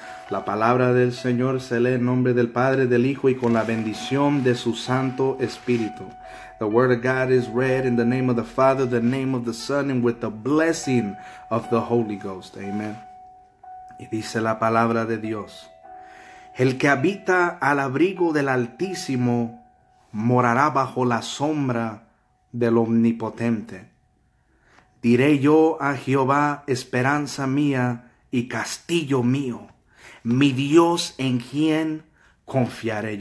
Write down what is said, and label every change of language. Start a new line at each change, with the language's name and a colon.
Spanish: La palabra del Señor se lee en nombre del Padre, del Hijo y con la bendición de su Santo Espíritu.
English: The word of God is read in the name of the Father, the name of the Son, and with the blessing of the Holy Ghost.
Spanish: Amen. Y dice la palabra de Dios. El que habita al abrigo del Altísimo morará bajo la sombra del Omnipotente. Diré yo a Jehová, esperanza mía y castillo mío, mi Dios en quien confiaré.